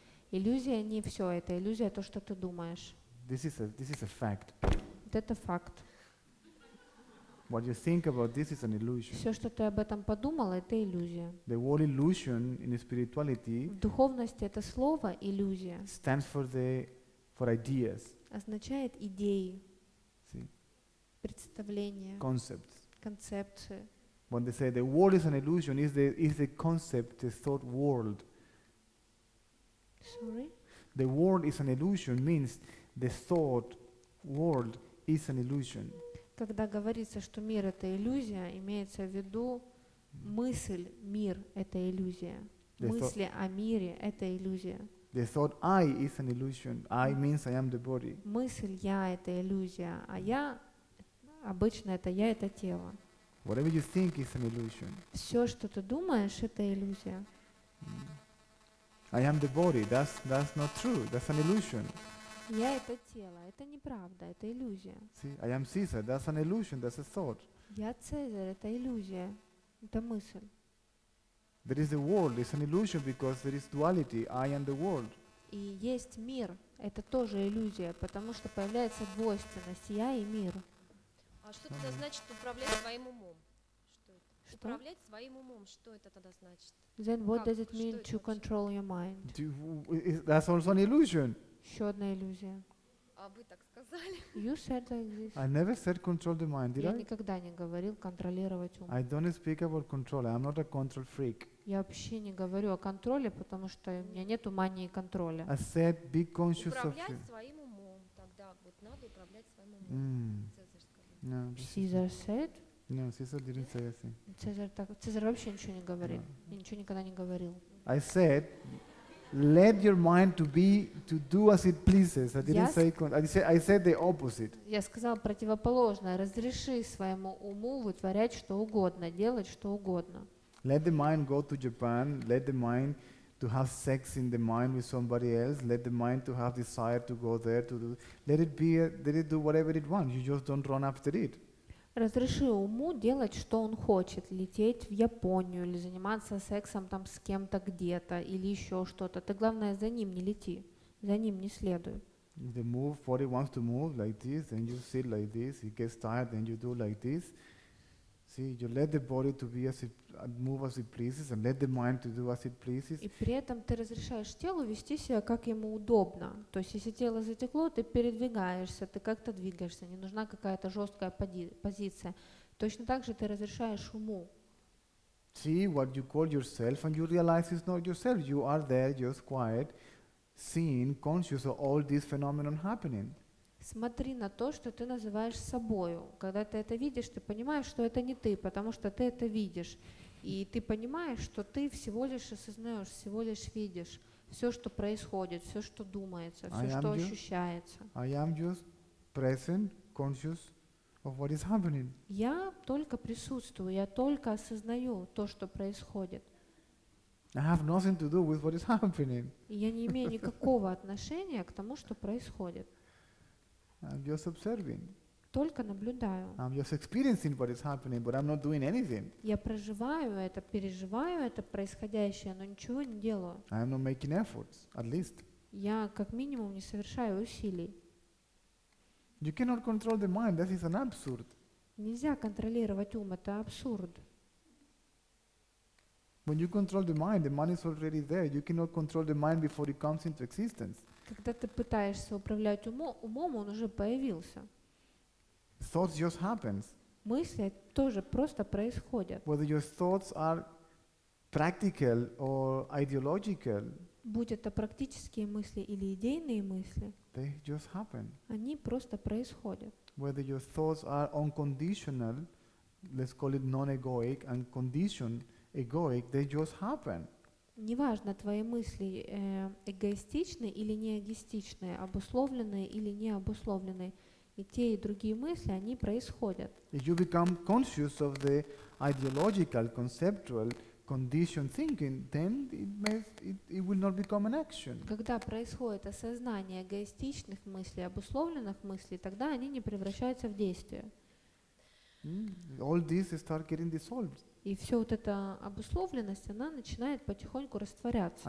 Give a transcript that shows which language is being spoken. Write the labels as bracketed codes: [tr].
[ru] Иллюзия не все это. Иллюзия то, что ты думаешь. [en] This is a fact. [ru] Вот это факт. [en] What you think about this is an illusion. [ru] Все, что ты об этом подумала, это иллюзия. [en] The word illusion in spirituality. [ru] В духовности это слово иллюзия. [en] Stands for the for ideas. [ru] Означает идеи. [en] See? [ru] Представления. [en] Concepts. [ru] Концепции. [en] When they say the world is an illusion, is the concept, the thought world. Sorry. The world is an illusion means the thought world is an illusion. [ru] Когда говорится, что мир — это иллюзия, имеется в виду мысль «мир» — это иллюзия. Мысли о мире — это иллюзия. [en] The thought «I» is an illusion. «I» means «I am the body». [ru] Мысль «я» — это иллюзия, а «я» — обычно это «я» — это тело. [en] Whatever you think is an illusion. [ru] Все, что ты думаешь, — это иллюзия. [en] «I am the body» — that's not true, that's an illusion. [ru] Я это тело, это неправда, это иллюзия. [en] See, I am Caesar. That's an illusion. That's a thought. [ru] Я Цезарь, это иллюзия, это мысль. [en] There is a world. It's an illusion because there is duality. I and the world. [ru] И есть мир. Это тоже иллюзия, потому что появляется двойственность. Я и мир. А что тогда значит управлять своим умом? Что это? Что? Управлять своим умом. Что это тогда значит? [en] Then what does it mean to control your mind? That's also an illusion. [ru] Еще одна иллюзия. А вы так сказали. [en] You said like this. I never said control the mind, did [ru] я [en] I? [ru] Я никогда не говорил контролировать ум. [en] I don't speak about control. I'm not a control freak. [ru] Я вообще не говорю о контроле, потому что у меня нет ума и контроля. [en] I said be conscious of [ru] you. Управлять своим умом. Тогда вот надо управлять своим умом. [en] Caesar said. No, Caesar didn't say anything. [ru] Caesar вообще ничего не говорил. No. Я ничего никогда не говорил. [en] I said. Let your mind to do as it pleases. I didn't say I said the opposite. [ru] Я сказал противоположное. Разреши своему уму вытворять что угодно, делать что угодно. [en] Let the mind go to Japan. Let the mind to have sex in the mind with somebody else. Let the mind to have desire to go there to do. Let it be. Let it do whatever it wants. You just don't run after it. [ru] Разреши уму делать, что он хочет, лететь в Японию или заниматься сексом там с кем-то где-то или еще что-то. Ты, главное, за ним не лети, за ним не следуй. [en] The move, body wants to move like this, then you sit like this, it gets tired, then you do like this. See, you let the body to be as it, move as it pleases and let the mind to do as it pleases. [ru] И при этом ты разрешаешь телу вести себя, как ему удобно. То есть, если тело затекло, ты передвигаешься, ты как-то двигаешься, не нужна какая-то жесткая позиция. Точно так же ты разрешаешь уму. [en] See what you call yourself and you realize it's not yourself. You are there, just quiet, seeing, conscious of all this phenomenon happening. [ru] Смотри на то, что ты называешь собою. Когда ты это видишь, ты понимаешь, что это не ты, потому что ты это видишь. И ты понимаешь, что ты всего лишь осознаешь, всего лишь видишь все, что происходит, все, что думается, все, что ощущается. [en] I am just present, conscious of what is happening. [ru] Я только присутствую, я только осознаю то, что происходит. [en] I have nothing to do with what is happening. [ru] Я не имею никакого отношения к тому, что происходит. [en] I'm just observing. [ru] Только наблюдаю. [en] I'm just experiencing what is happening, but I'm not doing anything. [ru] Я проживаю это, переживаю это происходящее, но ничего не делаю. [en] I'm not making efforts, at least. [ru] Я как минимум не совершаю усилий. [en] You cannot control the mind. That is an absurd. [ru] Нельзя контролировать ум. Это абсурд. [en] When you control the mind is already there. You cannot control the mind before it comes into existence. [ru] Когда ты пытаешься управлять умом, он уже появился. [en] Thoughts just happens. [ru] Мысли тоже просто происходят. [en] Whether your thoughts are practical or ideological. [ru] Будь это практические мысли или идейные мысли. [en] They just happen. [ru] Они просто происходят. [en] Whether your thoughts are unconditional, let's call it non-egoic and conditioned egoic, they just happen. [ru] Неважно, твои мысли эгоистичны или не эгоистичны, обусловленные или не обусловленные, и те, и другие мысли, они происходят. [en] If you become conscious of the ideological, conceptual, conditioned thinking, then it will not become an action. [ru] Когда происходит осознание эгоистичных мыслей, обусловленных мыслей, тогда они не превращаются в действие. [en] All these start getting dissolved. [ru] И все вот эта обусловленность, она начинает потихоньку растворяться.